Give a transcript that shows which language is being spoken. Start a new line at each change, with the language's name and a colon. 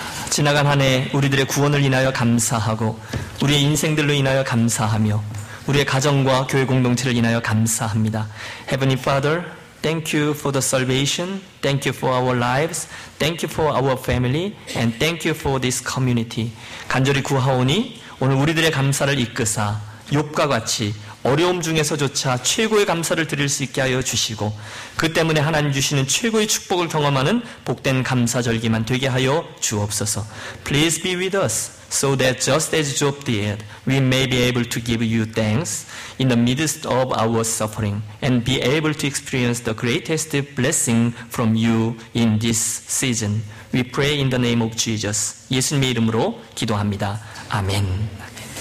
Korean: 지나간 한 해 우리들의 구원을 인하여 감사하고 우리의 인생들로 인하여 감사하며 우리의 가정과 교회 공동체를 인하여 감사합니다.
English: Heavenly Father, thank you for the salvation, thank you for our lives, thank you for our family, and thank you for this community.
Korean: 간절히 구하오니 오늘 우리들의 감사를 이끄사 욥과 같이 어려움 중에서조차 최고의 감사를 드릴 수 있게 하여 주시고 그 때문에 하나님 주시는 최고의 축복을 경험하는 복된 감사절기만 되게 하여 주옵소서.
English: Please be with us so that just as Job did, we may be able to give you thanks in the midst of our suffering and be able to experience the greatest blessing from you in this season. We pray in the name of Jesus.
Korean: 예수님의 이름으로 기도합니다. 아멘.